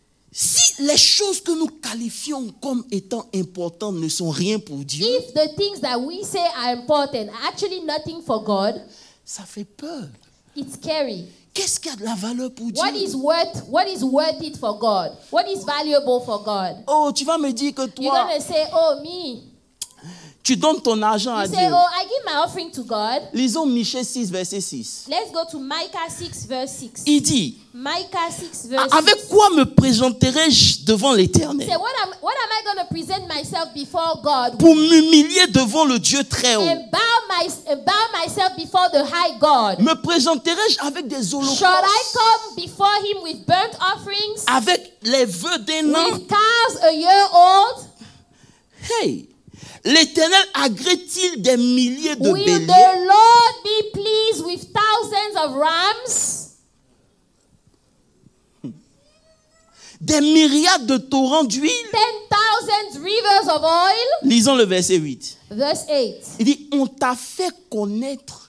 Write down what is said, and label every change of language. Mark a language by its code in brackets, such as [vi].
[fr] Si les choses que nous qualifions comme étant importantes ne sont rien pour Dieu, [en] if the things that we say are important are actually nothing for God, [fr] ça fait peur. [en] It's scary. [fr] Qu'est-ce qui a de la valeur pour [en] what [fr] Dieu? [en] What is worth it for God? What is valuable for God? [fr] Oh, tu vas me dire que toi, [en] you're gonna say, oh me. [fr] Tu donnes ton argent [en] you [fr] à [en] say, [fr] Dieu. [en] Oh, I give my offering to God. [fr] Lisons Micah 6, verset 6. [en] Let's go to Micah 6, verse 6. [fr] Il dit, [en] Micah 6, verse 6. [fr] Avec quoi me présenterai-je devant l'Éternel? [en] Say, what am I going to present myself before God? [fr] Pour m'humilier devant le Dieu très haut. [en] And bow myself before the high God. [fr] Me présenterai-je avec des holocaustes? [en] Shall I come before him with burnt offerings? [fr] Avec les vœux d'un an? [en] With calves a year old? Hey! [fr] L'Éternel agrée-t-il des milliers de béliers? [en] Will the Lord be pleased with thousands of rams? [fr] Des myriades de torrents d'huile? [en] 10,000 rivers of oil? [fr] Lisons le verset 8. [en] Verse 8. [fr] Il dit, on t'a fait connaître.